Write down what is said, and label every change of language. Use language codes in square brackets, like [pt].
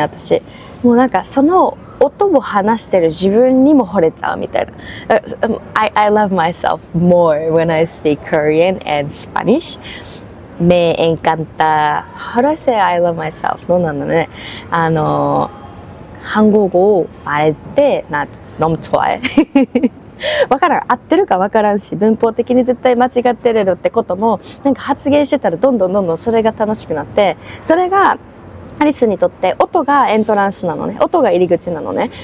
[ja] 私もうなんかその音を話してる自分にも惚れちゃうみたいな。 [en] I love myself more when I speak Korean and Spanish。 [es] Me encanta. [en] How do I say I love myself? [ja] どうなんだね。韓国語を말って、な、 [ko] 너무좋아해。 [ja] わからん。合ってるかわからんし、文法的に絶対間違ってるってことも、なんか発言してたらどんどんどんどんそれが楽しくなって、それがアリスにとって音がエントランスなのね、音が入り口なのね。